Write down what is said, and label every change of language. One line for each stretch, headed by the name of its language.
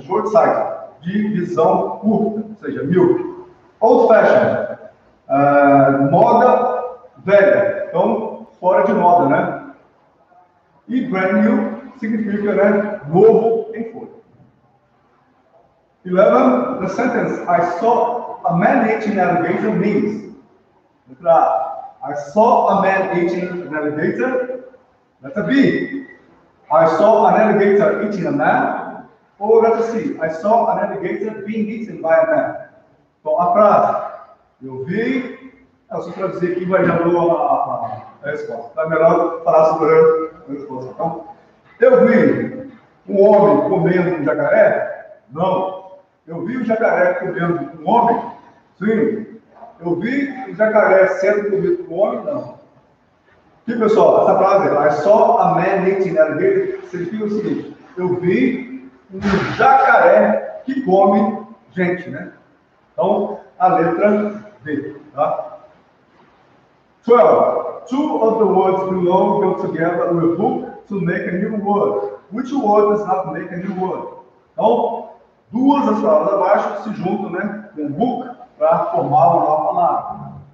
Portuguese: Short-sighted, de visão curta, ou seja, míope. Old-fashioned, moda velha, então, fora de moda, né? E brand new significa, né, novo em folha. 11.
English: The sentence I saw a man eating an alligator means.
Portuguese: Letra A.
English: I saw a man eating an alligator.
Portuguese: Letra B.
English: I saw an alligator eating a man.
Portuguese: Ou letra C.
English: I saw an alligator being eaten by a man.
Portuguese: Então a frase. Eu vi. É só traduzir aqui, mas já dou a resposta. É melhor falar sobre a resposta. Então, eu vi um homem comendo um jacaré? Não. Eu vi um jacaré comendo um homem? Sim. Eu vi um jacaré sendo comido por um homem? Não. Aqui, pessoal, essa frase é só
English: a man eating alligator.
Portuguese: Significa o seguinte: eu vi um jacaré que come gente, né? Então, a letra D, tá? 12.
English: Two of the words below go together with book to make a new word. Which word does not make a new word?
Portuguese: Então, duas das palavras abaixo se juntam, né, com book para formar uma nova palavra.